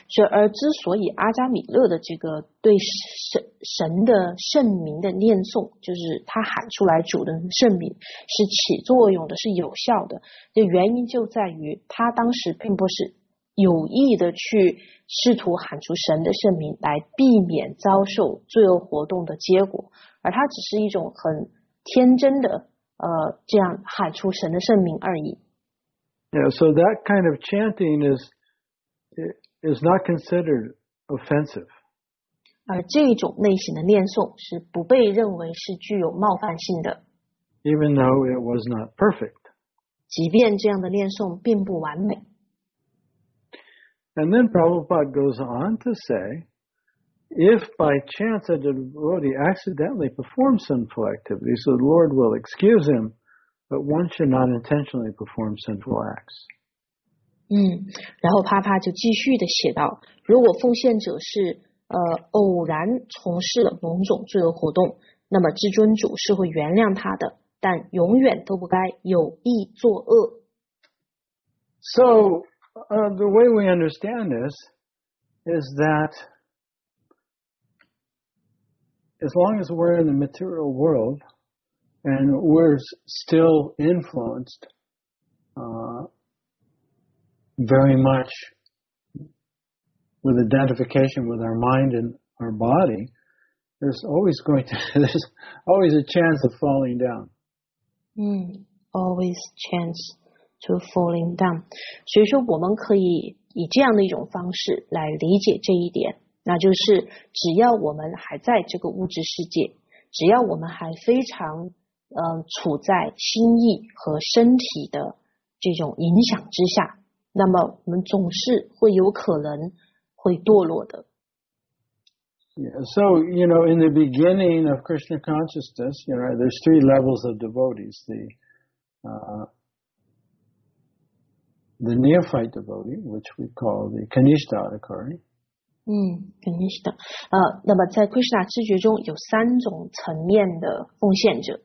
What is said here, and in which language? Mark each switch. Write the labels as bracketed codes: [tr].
[zh] 而之所以阿扎米勒的这个对 神的圣名的念诵，就是他喊出来主的圣名是起作用的，是有效的，这原因就在于他当时并不是有意的去试图喊出神的圣名来避免遭受罪恶活动的结果，而它只是一种很天真的这样喊出神的圣名而已。 [en] Yeah, so that kind of chanting is not considered offensive. [zh] 而这种类型的念诵是不被认为是具有冒犯性的。 [en] Even though it was not perfect. [zh] 即便这样的念诵并不完美。 [en] And then Prabhupada goes on to say, if by chance a devotee accidentally performs sinful activities, the Lord will excuse him, but one should not intentionally perform sinful acts. [zh] 然后帕帕就继续的写道，如果奉献者是偶然从事了某种罪恶活动，那么至尊主是会原谅他的，但永远都不该有意作恶。 [en] So,the way we understand this is that as long as we're in the material world and we're still influenced very much with identification with our mind and our body, there's always going to there's always a chance of falling down. Always chance. To falling down. [zh] 所以说我们可以以这样的一种方式来理解这一点，那就是只要我们还在这个物质世界，只要我们还非常处在心意和身体的这种影响之下，那么我们总是会有可能会堕落的。 [en] Yeah, so, you know, in the beginning of Krishna consciousness, you know, there's three levels of devotees. The neophyte devotee, which we call the Kanishtha Adhikari. [zh] Kanishtha. 那么在 Krishna 知觉中有三种层面的奉献者。